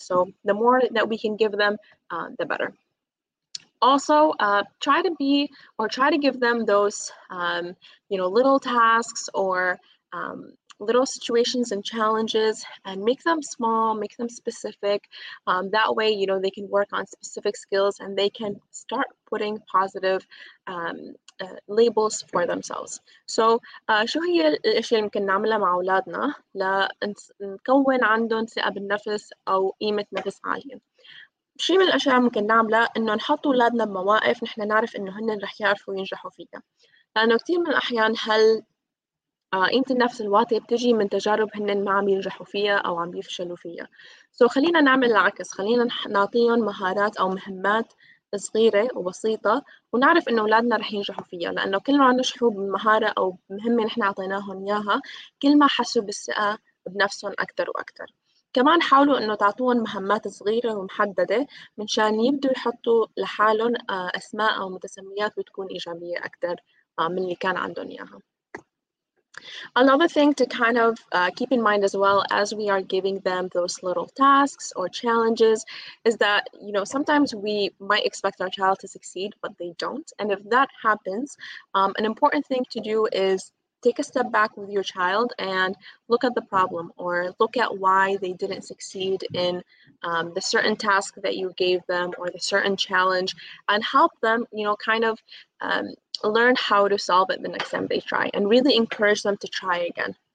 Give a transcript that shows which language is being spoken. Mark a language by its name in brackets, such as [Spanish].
[English] So the more that we can give them, the better. Also, try to be or try to give them those, you know, little tasks or little situations and challenges and make them small, make them specific. That way, you know, they can work on specific skills and they can start putting positive labels for themselves. [Arabic] So, شو هي الأشياء اللي ممكن نعملها مع أولادنا لنكون عندهم ثقة بالنفس أو قيمة نفس عالية؟ شيء من الأشياء ممكن نعمله إنه نحط أولادنا بمواقف نحن نعرف إنه هن رح يعرفوا ينجحوا فيها، لأنه كثير من الأحيان هل قيمة النفس الواطية بتجي من تجارب هن ما عم ينجحوا فيها أو عم يفشلوا فيها. سو خلينا نعمل العكس، خلينا نعطيهم مهارات أو مهمات صغيرة وبسيطة ونعرف إنه أولادنا رح ينجحوا فيها، لأنه كل ما نجحوا بمهارة أو بمهمة نحن أعطيناهم إياها كل ما حسوا بالثقة بنفسهم أكثر وأكثر. كمان حاولوا إنه تعطوهم مهمات صغيرة ومحددة منشان يبدوا يحطوا لحالهم أسماء أو متسميات بتكون إيجابية أكثر من اللي كان عندهم إياها. [English] Another thing to kind of keep in mind as well as we are giving them those little tasks or challenges is that, you know, sometimes we might expect our child to succeed, but they don't. And if that happens, an important thing to do is take a step back with your child and look at the problem or look at why they didn't succeed in the certain task that you gave them or the certain challenge and help them, you know, kind of learn how to solve it the next time they try and really encourage them to try again.